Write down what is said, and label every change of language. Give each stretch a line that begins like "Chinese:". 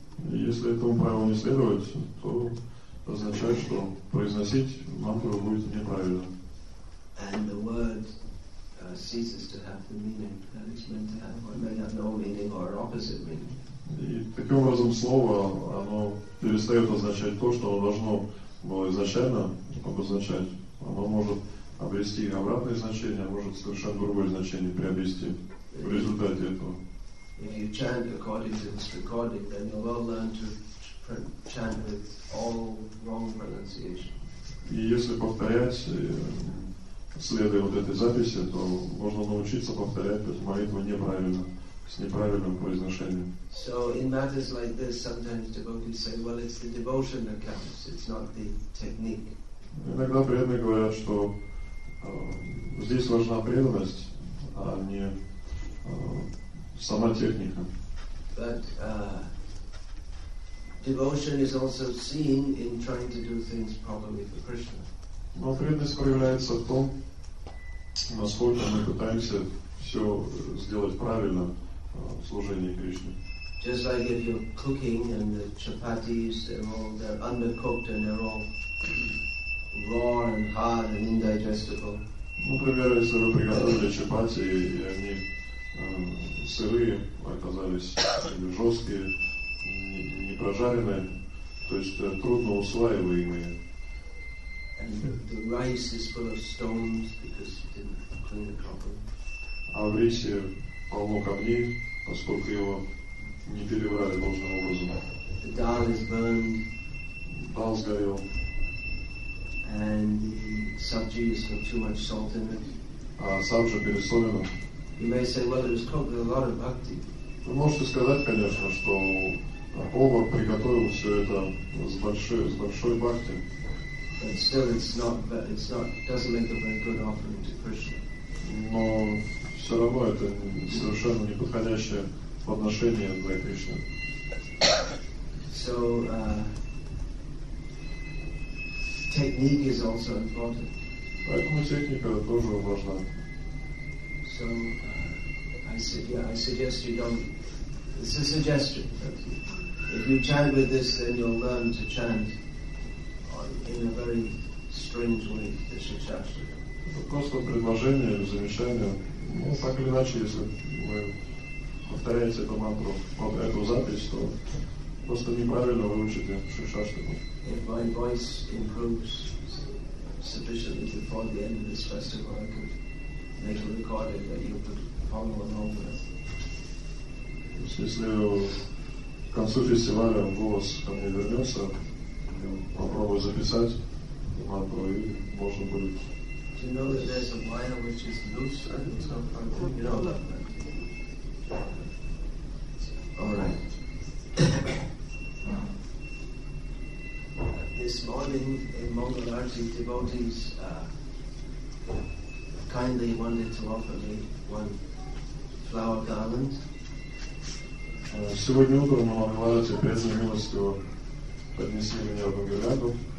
Russian: Если этому правилу не следовать, то означает, что произносить мантру будет неправильно.
English: And the word ceases to have the meaning that it's meant to have, or may have no meaning or opposite meaning.
Russian: И таким образом слово, оно перестает означать то, что оно должно было изначально обозначать. Оно может обрести обратное значение, может совершенно другое значение приобрести в результате этого.
English: If you chant according to this recording, then you will learn to chant with all wrong pronunciation.
Russian: И если повторять, следуя вот этой записи, то можно научиться повторять эту молитву неправильно, с неправильным произношением.
English: So in matters like this, sometimes devotees say, well, it's the devotion that counts, it's not the technique.
Russian: Иногда преданные говорят, что здесь важна преданность, а не сама техника.
English: But devotion is also seen in trying to do things properly for Krishna.
Russian: Но преданность проявляется в том, насколько мы пытаемся все сделать правильно в служении Кришне.
English: Just like if you're cooking and the chapatis, they're undercooked and they're all raw and hard and indigestible.
Russian: Ну, например, если вы приготовили чапати, и они сырые, оказались жесткие, не прожаренные, то есть трудно усваиваемые.
English: And the rice is full of stones because you didn't clean it properly.
Russian: А в рисе полно камней, поскольку его не перебрали должным образом.
English: The dal is burned.
Russian: Дал сгорел.
English: And the sabji is with too much salt in it.
Russian: А сабжа пересолена.
English: You may say, well, it was cooked with a lot of bhakti.
Russian: Вы можете сказать, конечно, что повар приготовил все это с большой бхакти.
English: But still, it's not. Doesn't make a very good offering to Krishna.
Russian: Но все равно это совершенно неподходящее подношение для Кришны.
English: So technique is also important.
Russian: Поэтому техника тоже важна.
English: So I suggest you don't. It's a suggestion. If you chant with this, then you'll learn to chant in a very strange way. This suggestion.
Russian: Это просто предложение или замечание. Ну, так или иначе, если вы повторяете эту мантру, вот эту запись, то просто неправильно выучите шишаштику.
English: If my voice improves sufficiently before the end of this festival, I could make a recording that you could follow along with.
Russian: Если к концу фестиваля голос ко мне вернется, попробую записать мантру, и можно будет.
English: Do you know that there's a wire which is loose and it's not part of it? You know that. All right. This morning in Mangalarti, devotees kindly wanted to offer me one flower garland.
Russian: Сегодня утром на Мангаларти преданные милостью поднесли меня в Мангаларту.